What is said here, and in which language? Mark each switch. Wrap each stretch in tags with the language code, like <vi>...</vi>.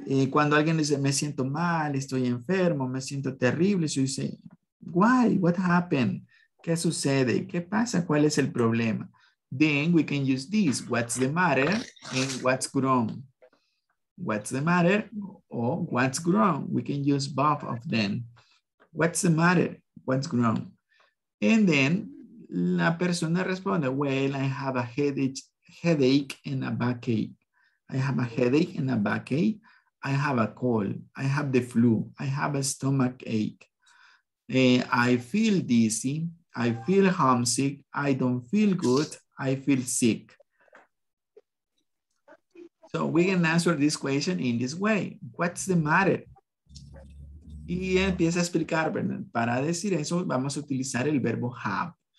<es>Cuando alguien dice, me siento mal, estoy enfermo, me siento terrible, yo dice, why?</es> <en>What happened?</en> <es>¿Qué sucede? ¿Qué pasa? ¿Cuál es el problema?</es> <en>Then we can use this, what's the matter and what's wrong. What's the matter or what's wrong? We can use both of them. What's the matter? What's wrong? And then,</en> <es>la persona responde,</es> <en>well, I have a headache and a backache. I have a headache and a backache. I have a cold. I have the flu. I have a stomach ache. I feel dizzy. I feel homesick. I don't feel good. I feel sick. So we can answer this question in this way. What's the matter?</en> <es>Y empieza a explicar, ¿verdad? Para decir eso, vamos a utilizar el verbo have.</es>